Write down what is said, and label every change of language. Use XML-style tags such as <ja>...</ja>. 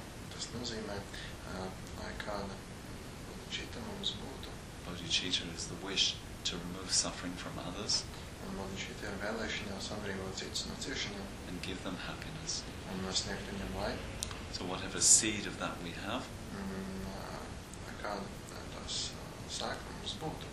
<lv>tas nozīmē, lai kāda bodhicitta mums būtu.</lv> <en>Bodhicitta is the wish to remove suffering from others.</en> <lv>Un bodhicitta ir vēlēšanās atbrīvot citus no ciešanām.</lv> <en>And give them happiness.</en> <lv>Un sniegt viņiem laimi.</lv> <en>So whatever seed of that we have,</en> <lv>lai kāda tās sēkla mums būtu.</lv>